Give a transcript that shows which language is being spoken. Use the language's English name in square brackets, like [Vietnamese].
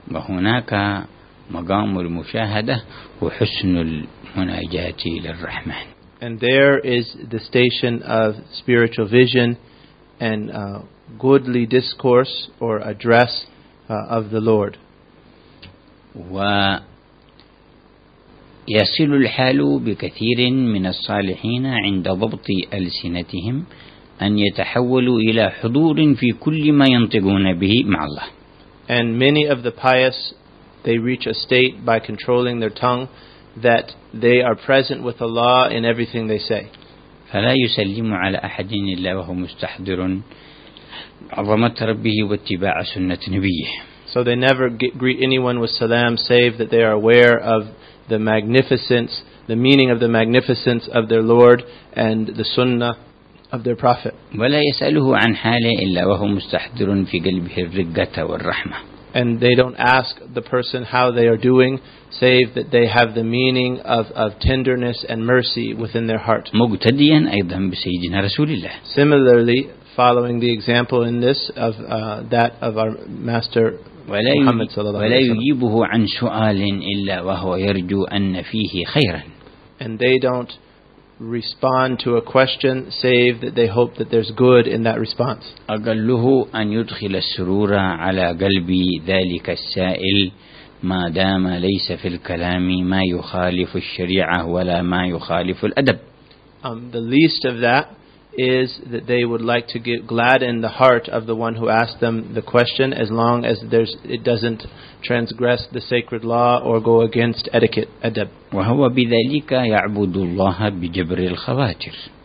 [Arabic] وهناك مقام المشاهدة وحسن المناجات للرحمن. [English] And there is the station of spiritual vision and goodly discourse or address of the Lord. [Arabic] ويصل الحال بكثير من الصالحين عند ضبط ألسنتهم أن يتحولوا إلى حضور في كل ما ينطقون به مع الله. [English] And many of the pious, they reach a state by controlling their tongue that they are present with Allah in everything they say. [Arabic] فلا يسلم على أحد إلا وهو مستحضر عظمة ربه واتباع سنة نبيه. [English] So they never greet anyone with salam save that they are aware of the magnificence, the meaning of the magnificence of their Lord and the sunnah of their prophet. [Arabic] ولا يسأله عن حاله إلا وهو مستحضر في قلبه الرقة والرحمة. [English] And they don't ask the person how they are doing, save that they have the meaning of tenderness and mercy within their heart. [Arabic] مقتدياً أيضاً بسيدنا رسول الله. [English] Similarly, following the example in this of that of our master Muhammad [Arabic] صلى الله عليه وسلم. ولا يجيبه عن سؤال إلا وهو يرجو أن فيه خيراً. [English] And they don't respond to a question, save that they hope that there's good in that response. [Arabic] أقله أن يدخل السرور على قلبي ذلك السائل ما دام ليس في الكلام ما يخالف الشريعة ولا ما يخالف الأدب. [English] The least of that is that they would like to get glad in the heart of the one who asked them the question, as long as there's it doesn't transgress the sacred law or go against etiquette, adab. [Arabic] وَهُوَ بِذَلِكَ يَعْبُدُ اللَّهَ بِجَبْرِ الْخَوَاتِرِ.